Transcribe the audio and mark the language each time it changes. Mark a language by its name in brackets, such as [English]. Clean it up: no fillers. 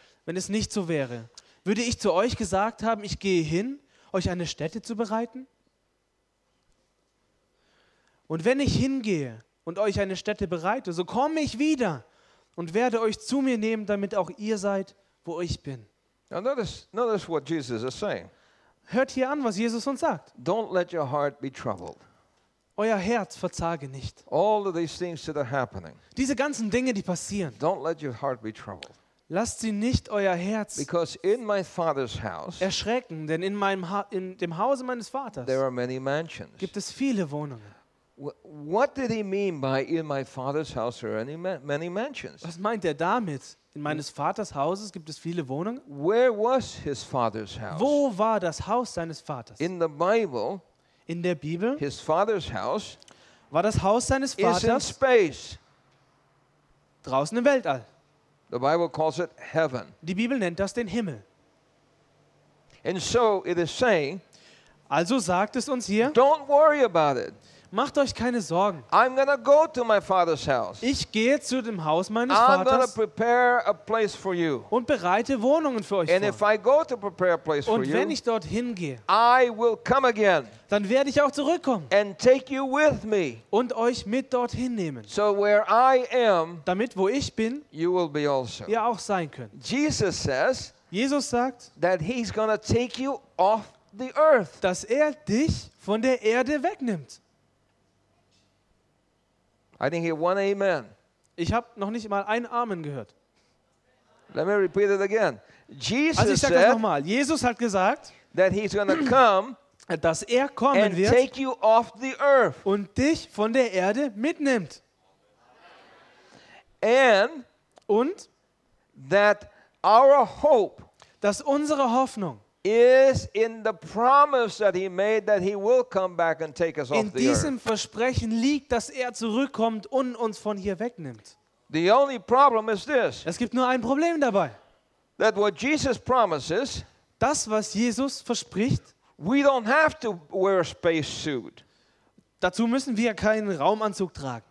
[German] Wenn es nicht so wäre, würde ich zu euch gesagt haben, ich gehe hin, euch eine Stätte zu bereiten? Und wenn ich hingehe und euch eine Stätte bereite, so komme ich wieder und werde euch zu mir nehmen, damit auch ihr seid, wo ich bin. [English] Now notice what Jesus is saying. [German] Hört hier an, was Jesus uns sagt. [English] Don't let your heart be troubled. [German] Euer Herz verzage nicht. [English] All of these things that are happening. [German] Diese ganzen Dinge, die passieren. [English] Don't let your heart be troubled. [German] Lasst sie nicht euer Herz erschrecken, denn in dem Hause meines Vaters [English] there are many mansions. [German] Gibt es viele Wohnungen. [English] What did he mean by in my father's house are many mansions? [German] Was meint er damit? In meines Vaters Hauses gibt es viele Wohnungen? [English] Where was his father's house? [German] Wo war das Haus seines Vaters? [English] In the Bible. [German] In der Bibel. [English] His father's house. [German] War das Haus seines Vaters? [English] Is in space. [German] Draußen im Weltall. [English] The Bible calls it heaven. [German] Die Bibel nennt das den Himmel. [English] And so it is saying. [German] Also sagt es uns hier. [English] Don't worry about it. [German] Macht euch keine Sorgen. [English] I'm gonna go to my father's house. [German] Ich gehe zu dem Haus meines [English] I'm [German] Vaters [English] gonna prepare a place for you. [German] Und bereite Wohnungen für euch [English] and [German] vor. [English] If I go to prepare a place [German] und [English] for [German] wenn [English] you, [German] ich dorthin gehe, [English] I will come again [German] dann werde ich auch zurückkommen [English] and take you with me. [German] Und euch mit dorthin nehmen, [English] so where I am, [German] damit wo ich bin, [English] you will be also. [German] Ihr auch sein könnt. Jesus sagt, [English] that he's gonna take you off the earth. [German] Dass er dich von der Erde wegnimmt. [English] I didn't hear one amen. [German] Ich habe noch nicht mal ein Amen gehört. [English] Let me repeat it again. [German] Jesus also ich sage das nochmal. Jesus hat gesagt, [English] that he's gonna come [German] dass er kommen [English] and [German] wird [English] take you off the earth. [German] Und dich von der Erde mitnimmt. [English] And [German] und [English] that our hope [German] dass unsere Hoffnung [English] is in the promise that he made that he will come back and take us off the earth. [German] In diesem Versprechen liegt, dass er zurückkommt und uns von hier wegnimmt. [English] The only problem is this. [German] Es gibt nur ein Problem dabei. [English] That what Jesus promises, [German] das was Jesus verspricht, [English] we don't have to wear a space suit. [German] Dazu müssen wir keinen Raumanzug tragen.